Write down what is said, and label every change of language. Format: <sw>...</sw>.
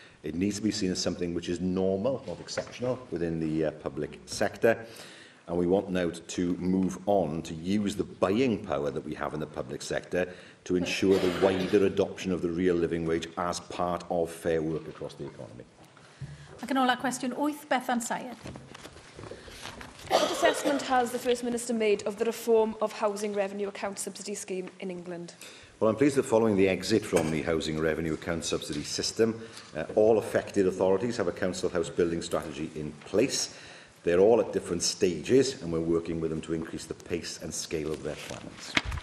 <en>It needs to be seen as something which is normal, not exceptional, within the public sector. And we want now to move on to use the buying power that we have in the public sector to ensure the wider adoption of the real living wage as part of fair work across the economy.</en> <cy>Ac yn ôl ar cwestiwn 8, Bethan Syed.</cy> <en>What assessment has the First Minister made of the reform of Housing Revenue Account Subsidy Scheme in England? Well, I'm pleased that following the exit from the Housing Revenue Account Subsidy System, all affected authorities have a council house building strategy in place. They're all at different stages, and we're working with them to increase the pace and scale of their plans.</en>